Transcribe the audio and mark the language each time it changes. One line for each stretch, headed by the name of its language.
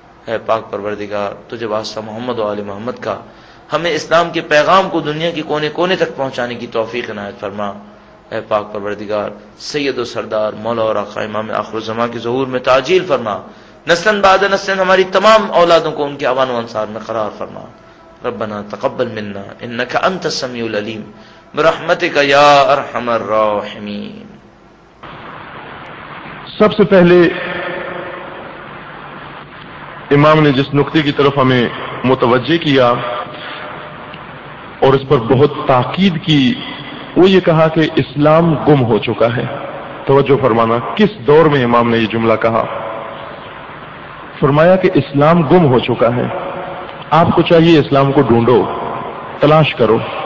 Urdu: اے پاک پروردگار تجھے واسطہ محمد و آل محمد کا, ہمیں اسلام کے پیغام کو دنیا کے کونے کونے تک پہنچانے کی توفیق عنایت فرما. اے پاک پروردگار سید و سردار مولا اور آقا امام آخر الزمان کے ظہور میں تعجیل فرما, نسل بعد نسل ہماری تمام اولادوں کو ان کے اوان و انصار میں قرار فرما.
Arabic: ربنا تقبل منا انك انت السميع العليم برحمتك يا ارحم الراحمين.
Urdu: سب سے پہلے امام نے جس نقطے کی طرف ہمیں متوجہ کیا اور اس پر بہت تاکید کی, وہ یہ کہا کہ اسلام گم ہو چکا ہے. توجہ فرمانا کس دور میں امام نے یہ جملہ کہا. فرمایا کہ اسلام گم ہو چکا ہے, آپ کو چاہیے اسلام کو ڈھونڈو, تلاش کرو.